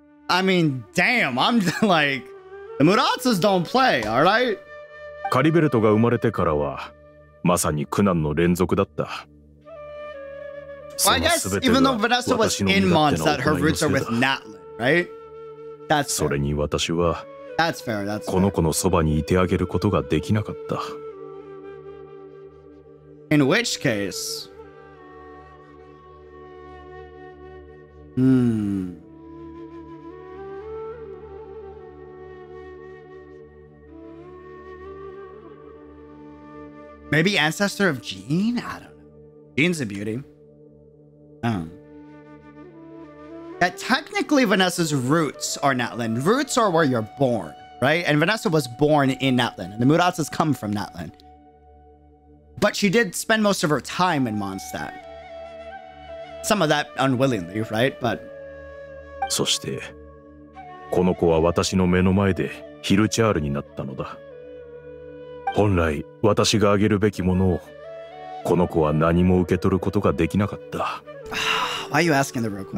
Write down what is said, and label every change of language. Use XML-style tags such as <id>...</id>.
<en>I mean, damn, I'm just like, the Muratas don't play, all right?</en> <ja>Caribert が生まれてからは、まさに苦難の連続だった。</ja> <en>Well, I guess even though Vanessa was in Mons, that her roots are with Natlin, right? That's</en> <ja>それに私は、</ja> <en>That's fair, that's fair.</en> <ja>この子のそばにいてあげることができなかった。</ja> <en>In which case... Maybe ancestor of Jean? I don't know. Jean's a beauty. That technically Vanessa's roots are Natlin. Roots are where you're born, right? And Vanessa was born in Natlin. And the Muratas come from Natlin. But she did spend most of her time in Mondstadt. Some of that unwillingly, right? But...</en> <ja>そして、この子は私の目の前でヒルチャールになったのだ。本来、私があげるべきものを、この子は何も受け取ることができなかった。</ja> <en>Why are you asking the real question?</en>